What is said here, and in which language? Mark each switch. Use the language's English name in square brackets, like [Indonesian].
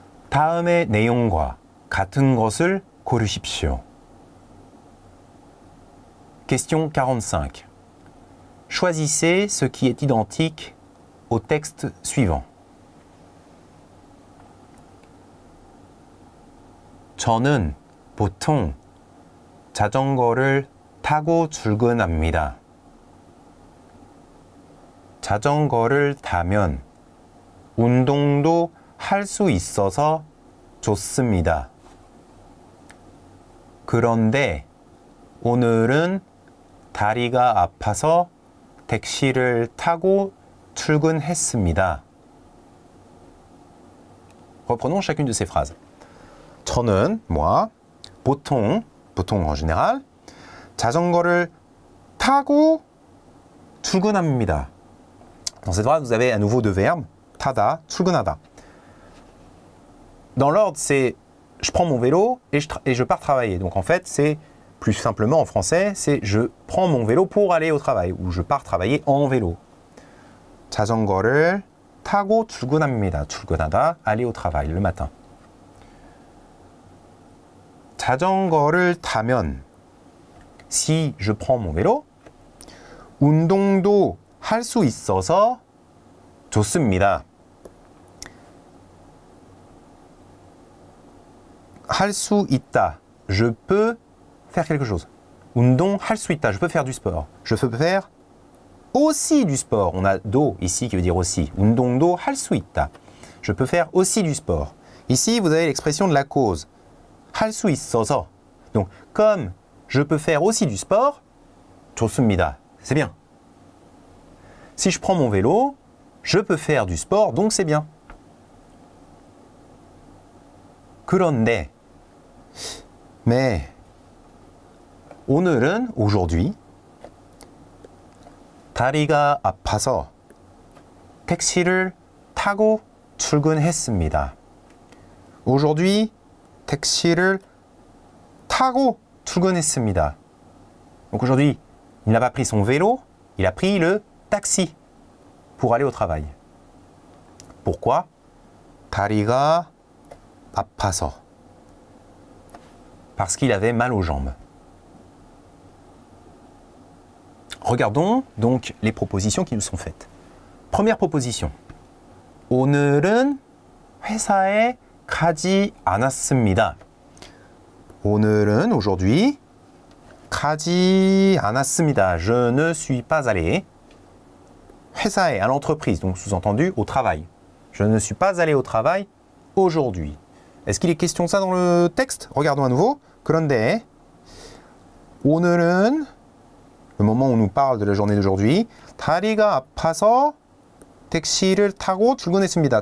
[Korean] 다음의 내용과 같은 것을 고르십시오. [French] Question 45. Choisissez ce qui est identique au texte suivant. [Korean] 저는 보통 자전거를 타고 출근합니다. 자전거를 타면 운동도 할 수 있어서 좋습니다. 그런데 오늘은 다리가 아파서 택시를 타고 출근했습니다. [French] Reprenons chacune de ces phrases. [Korean] 저는, [French] moi, [Korean] 보통, [French] boutong en général, [Korean] 자전거를 타고 출근합니다. [French] Dans cette phrase, vous avez à nouveau deux verbes, 타다, 출근하다. Dans l'ordre, c'est je prends mon vélo et je pars travailler. Donc en fait, c'est plus simplement en français, c'est je prends mon vélo pour aller au travail ou je pars travailler en vélo. [Korean] 자전거를 타고 출근합니다. [French] 출근하다, aller au travail le matin. [Korean] 자전거를 타면 [French] si je prends mon vélo [Korean] 운동도 할 수 있어서 좋습니다. 할 수 있다. [French] Je peux faire quelque chose. [Korean] 운동 할 수 있다. [French] Je peux faire du sport. Je peux faire aussi du sport. On a do ici qui veut dire aussi. [Korean] 운동도 할 수 있다. [French] Je peux faire aussi du sport. Ici, vous avez l'expression de la cause. [Korean] 할 수 있어서. [French] Donc, comme je peux faire aussi du sport, [Korean] 좋습니다. [French] C'est bien. Si je prends mon vélo, je peux faire du sport, donc c'est bien. [Korean] 그런데, [French] mais, [Korean] 오늘은, [French] aujourd'hui, [Korean] 다리가 아파서 택시를 타고 출근했습니다. [French] Aujourd'hui, [Korean] 택시를 타고 출근했습니다. [French] Donc aujourd'hui, il n'a pas pris son vélo, il a pris le taxi pour aller au travail. Pourquoi? [Korean] 다리가 아파서. [French] Parce qu'il avait mal aux jambes. Regardons donc les propositions qui nous sont faites. Première proposition. [Korean] 오늘은 회사에 가지 않았습니다. 오늘은 [French] aujourd'hui [Korean] 가지 않았습니다. [French] Je ne suis pas allé [Korean] 회사에, [French] à l'entreprise, donc sous-entendu au travail. Je ne suis pas allé au travail aujourd'hui. Est-ce qu'il est question de ça dans le texte? Regardons à nouveau. [Korean] 그런데 오늘은 [French] le moment où on nous parle de la journée d'aujourd'hui [Korean] 다리가 아파서 택시를 타고 출근했습니다.